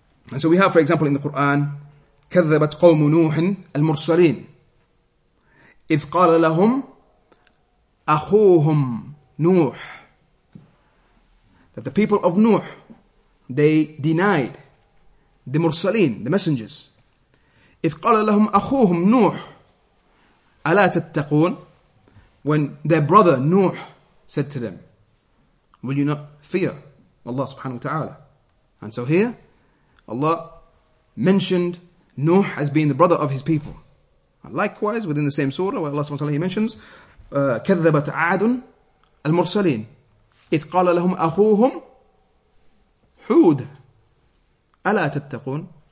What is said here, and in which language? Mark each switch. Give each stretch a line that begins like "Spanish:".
English: And so we have, for example, in the Quran,
Arabic: كذبت قوم نوح المرسلين إذ قال لهم أخوهم نوح.
English: That the people of Nuh, they denied the مرسلين, the messengers.
Arabic: إذ قال لهم أخوهم نوح ألا تتقون.
English: When their brother Nuh said to them, will you not fear Allah subhanahu wa ta'ala? And so here, Allah mentioned Nuh as being the brother of his people. And likewise, within the same surah, where Allah subhanahu wa ta'ala mentions,
Arabic: كَذَّبَتْ عَادٌ الْمُرْسَلِينَ إِذْ قَالَ لَهُمْ أَخُوهُمْ حُودٌ أَلَا تَتَّقُونَ.